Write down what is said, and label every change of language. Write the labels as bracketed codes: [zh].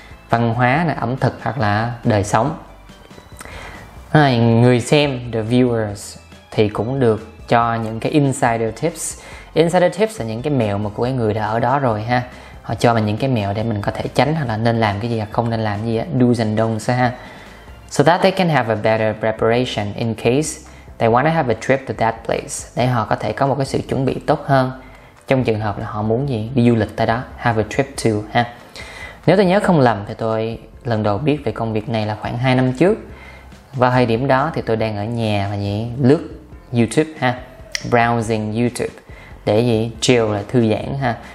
[vi] Văn hóa, này, ẩm thực hoặc là đời sống. Người xem, [en] the viewers, [vi] thì cũng được cho những cái insider tips. Insider tips là những cái mẹo mà của người đã ở đó rồi ha. Họ cho mình những cái mẹo để mình có thể tránh hoặc là nên làm cái gì hoặc không nên làm cái gì á, [en] do's and don'ts [vi] ha. [en] So that they can have a better preparation in case they wanna have a trip to that place. [vi] Để họ có thể có một cái sự chuẩn bị tốt hơn trong trường hợp là họ muốn gì, đi du lịch tới đó, [en] have a trip to [vi] ha. Nếu tôi nhớ không lầm thì tôi lần đầu biết về công việc này là khoảng 2 năm trước. Và thời điểm đó thì tôi đang ở nhà và gì, lướt YouTube ha, [en] browsing YouTube [vi] để gì, chill là thư giãn ha.